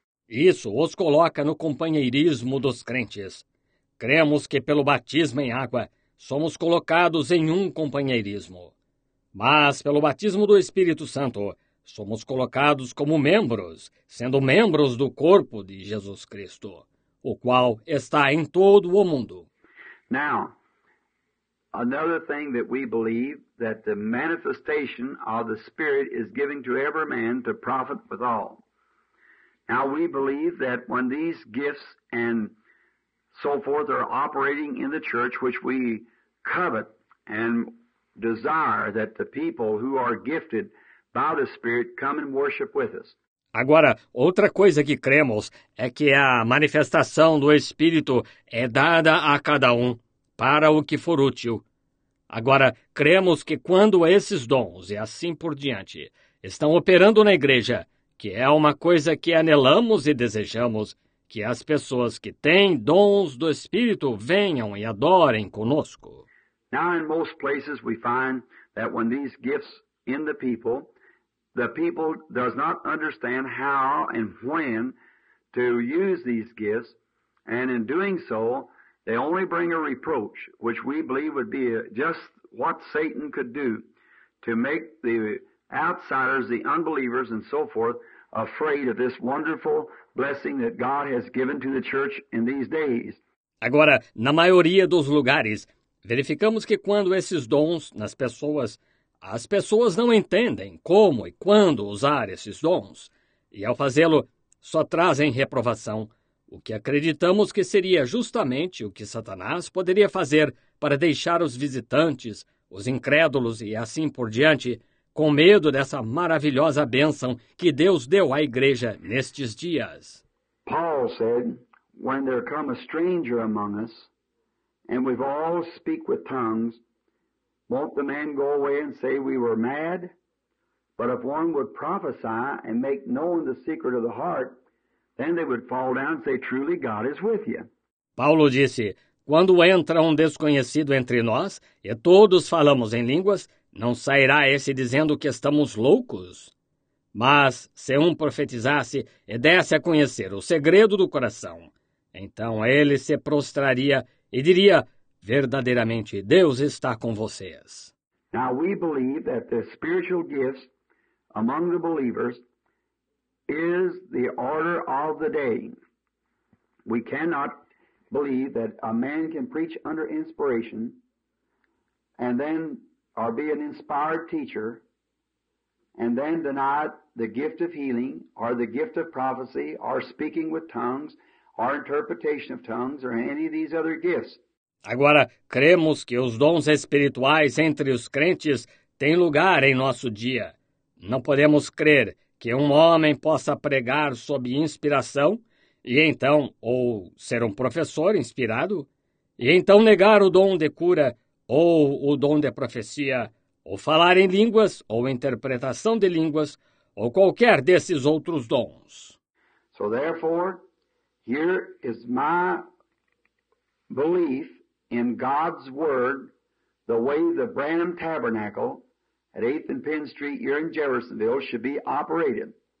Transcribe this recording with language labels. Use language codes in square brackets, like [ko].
[pt] Isso os coloca no companheirismo dos crentes. Cremos que pelo batismo em água somos colocados em um companheirismo. Mas pelo batismo do Espírito Santo somos colocados como membros, sendo membros do corpo de Jesus Cristo, o qual está em todo o mundo. [en] Now, another thing that we believe that the manifestation of the Spirit is given to every man to profit withal. Now we believe that when these gifts and so forth are operating in the church, which we covet and desire that the people who are gifted by the Spirit come and worship with us. [pt] Agora, outra coisa que cremos é que a manifestação do Espírito é dada a cada um para o que for útil. Agora, cremos que quando esses dons, e assim por diante, estão operando na igreja, que é uma coisa que anelamos e desejamos, que as pessoas que têm dons do Espírito venham e adorem conosco. [en] Now, in most places, we find that when these gifts in the people does not understand how and when to use these gifts, and in doing so, they only bring a reproach, which we believe would be just what Satan could do to make the outsiders, the unbelievers, and so forth, afraid of this wonderful blessing that God has given to the church in these days. [pt] Agora, na maioria dos lugares, verificamos que quando esses dons nas pessoas, as pessoas não entendem como e quando usar esses dons, e ao fazê-lo, só trazem reprovação, o que acreditamos que seria justamente o que Satanás poderia fazer para deixar os visitantes, os incrédulos e assim por diante, com medo dessa maravilhosa bênção que Deus deu à igreja nestes dias. [en] Paul said, when there come a stranger among us, and we all speak with tongues, won't the man go away and say we were mad? But if one would prophesy and make known the secret of the heart, then they would fall down and say, truly God is with you. [pt] Paulo disse, quando entra desconhecido entre nós, e todos falamos em línguas, não sairá esse dizendo que estamos loucos? Mas se profetizasse e desse a conhecer o segredo do coração, então ele se prostraria e diria, verdadeiramente, Deus está com vocês. [en] Now we believe that the spiritual gifts among the believers is the order of the day. We cannot believe that a man can preach under inspiration and then or be an inspired teacher and then deny the gift of healing or the gift of prophecy or speaking with tongues or interpretation of tongues or any of these other gifts. [pt] Agora, cremos que os dons espirituais entre os crentes têm lugar em nosso dia. Não podemos crer que homem possa pregar sob inspiração e então, ou ser professor inspirado, e então negar o dom de cura ou o dom de profecia, ou falar em línguas ou interpretação de línguas, ou qualquer desses outros dons. [en] So therefore, here is my belief in God's word, the way the Branham Tabernacle at 8th and Penn Street here in Jeffersonville should be operated.